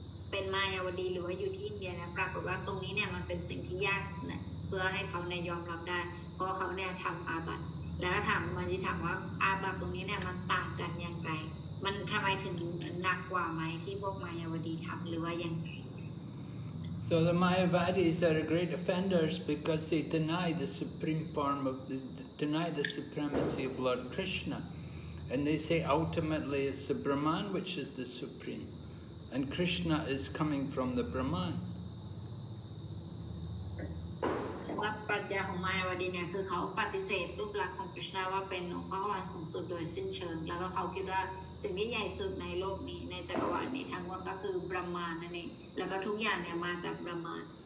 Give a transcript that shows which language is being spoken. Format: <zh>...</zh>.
<th>เป็นมายาวดีหรือว่าอยู่ที่อินเดียนะปรากฏว่าตรงนี้เนี่ยมันเป็นสิ่งที่ยากนะเพื่อให้เขาเนี่ยยอมรับได้เพราะเขาเนี่ยทำอาบัติแล้วถามมันจะถามว่าอาบัติตรงนี้เนี่ยมันต่างกันอย่างไรมันทำไมถึงหนักกว่าไหมที่พวกมายาวดีทำหรือว่ายังไง</th> <en>So the Mayavadis are great offenders because they deny the supreme form of deny the supremacy of Lord Krishna and they say ultimately it's the Brahman which is the supreme And Krishna is coming from the Brahman.</en> <th>สำหรับปรัชญาของมายาวดีเนี่ยคือเขาปฏิเสธรูปลักษณ์ของ Krishna ว่าเป็นองค์พระผู้สูงสุดโดยสิ้นเชิงแล้วก็เขาคิดว่าสิ่งที่ใหญ่สุดในโลกนี้ในจักรวาลนี้ทั้งหมดก็คือ Brahman นั่นเองแล้วก็ทุกอย่างเนี่ยมาจาก Brahman.</th>